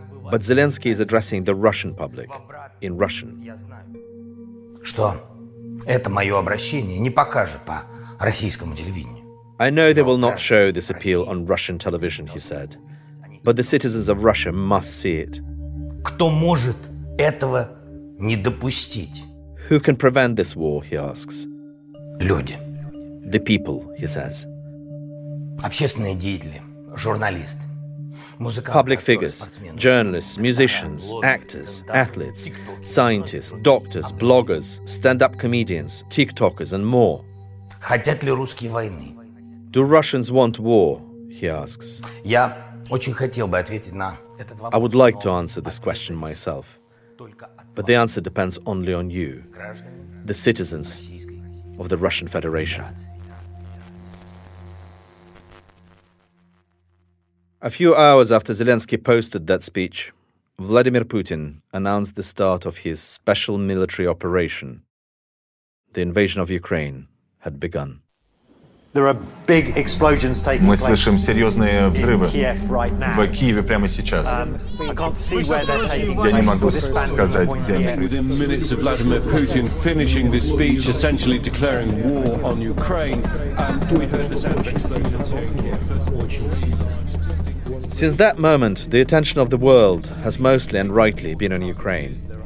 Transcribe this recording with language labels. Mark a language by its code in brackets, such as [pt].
[en] But Zelensky is addressing the Russian public in Russian. [ru] Что? Это моё обращение не покажут по российскому телевидению. [en] I know they will not show this appeal on Russian television, he said. But the citizens of Russia must see it. [ru] Кто может этого не допустить? [en] Who can prevent this war, he asks. [ru] Люди. [en] The people, he says. [ru] Общественные деятели, журналисты. [en] Public figures, journalists, musicians, actors, athletes, scientists, doctors, bloggers, stand-up comedians, TikTokers, and more. [ru] Хотят ли русские войны? [en] Do Russians want war? He asks. [ru] Я очень хотел бы ответить на этот вопрос. [en] I would like to answer this question myself, but the answer depends only on you, the citizens of the Russian Federation. A few hours after Zelensky posted that speech, Vladimir Putin announced the start of his special military operation. The invasion of Ukraine had begun. There are big explosions taking place. [ru] Мы слышим серьезные взрывы в Киеве прямо сейчас. Я не могу сказать, где они. [en] Within minutes of Vladimir Putin finishing this speech, essentially declaring war on Ukraine, and we heard the sound of explosions here in Kiev. Since that moment, the attention of the world has mostly and rightly been on Ukraine.